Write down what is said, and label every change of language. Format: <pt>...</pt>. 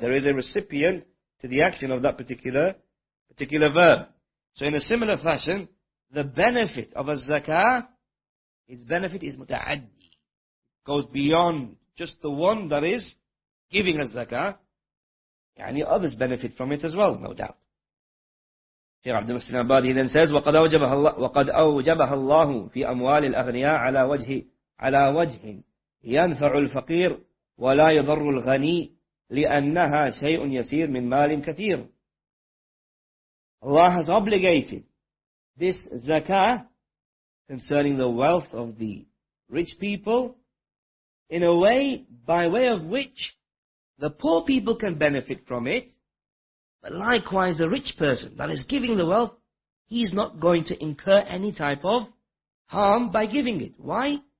<en>There is a recipient to the action of that particular verb. So in a similar fashion, the benefit of a zakah, its benefit is muta'addi. It goes beyond just the one that is giving a zakah. Yani others benefit from it as well, no doubt.</en> <ar>Shaykh Abdul Muhsin Abadi</ar> <en>then says,</en> <ar>وَقَدْ أَوْجَبَهَ اللَّهُ فِي أَمْوَالِ الْأَغْنِيَاءِ عَلَى وَجْهِ عَلَى وَجْهٍ يَنْفَعُ الْفَقِيرُ وَلَا يَضَرُّ الْغَنِيِّ لِأَنَّهَا شَيْءٌ يَسِيرٌ مِنْ مَالٍ كَثِيرٌ.</ar> <en>Allah has obligated this zakah concerning the wealth of the rich people in a way by way of which the poor people can benefit from it, but likewise the rich person that is giving the wealth, he's not going to incur any type of harm by giving it. Why?</en>